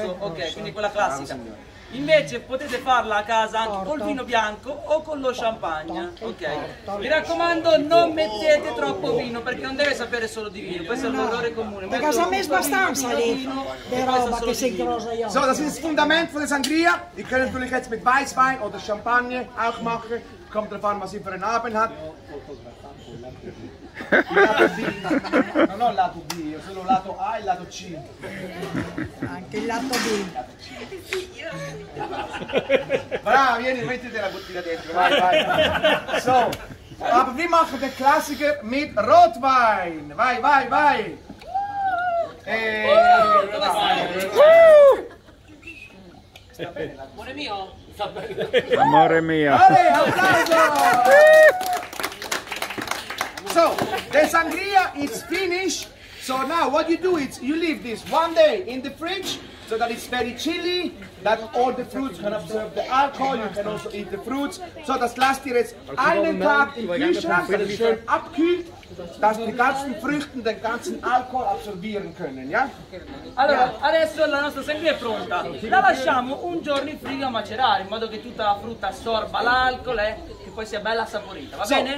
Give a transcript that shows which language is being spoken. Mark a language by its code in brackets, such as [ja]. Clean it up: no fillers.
[it] Rosso, ok, quindi quella classica. Invece potete farla a casa anche col vino bianco o con lo champagne, ok? Mi raccomando, non mettete troppo vino, perché non deve sapere solo di vino, questo è un errore comune. Perché a me è abbastanza vino, però che sei grosso io. [de] So, das ist das Fundament von der Sangria. Ihr könnt natürlich jetzt mit Weißwein oder Champagne auch machen. Kommt drauf an, was ihr für einen Abend habt. [it] Il lato B, non ho lato B, ho solo lato A e lato C. Anche il lato B. Bravo, vieni, mettete la bottiglia dentro, vai. [de] So, aber wir machen den Klassiker mit Rotwein. [it] Vai. Dove stai? Sta bene, amore mio? Amore mio. Vale, applauso! [en] So, the sangria is finished. So now what you do is you leave this one day in the fridge so that it's very chilly, that all the fruits can absorb the alcohol, you can also eat the fruits. [de] So das lasst ihr jetzt einen Tag im Kühlschrank, dass es schön abkühlt, dass die ganzen Früchte den ganzen Alkohol absorbieren können, ja? [it] Allora, adesso la nostra sangria è pronta. La lasciamo un giorno in frigo a macerare, in modo che tutta la frutta assorba l'alcol, poi sia bella saporita, va bene?